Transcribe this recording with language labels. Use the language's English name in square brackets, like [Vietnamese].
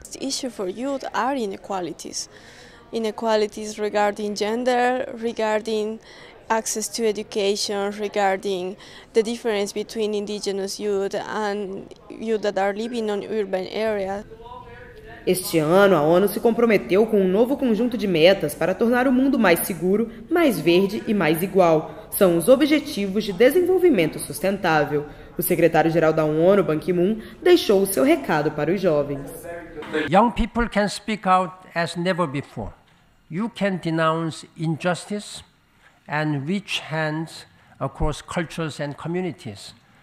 [English] The issue for youth are inequalities. Inequalities regarding gender, regarding access to education, regarding the difference between indigenous youth and youth that are living in urban areas. [Portuguese] Este ano, a ONU se comprometeu com um novo conjunto de metas para tornar o mundo mais seguro, mais verde e mais igual. São os Objetivos de Desenvolvimento Sustentável. O secretário-geral da ONU, Ban Ki-moon, deixou o seu recado para os jovens. [English] Young people can speak out as never before. You can denounce injustice and reach hands across cultures and communities.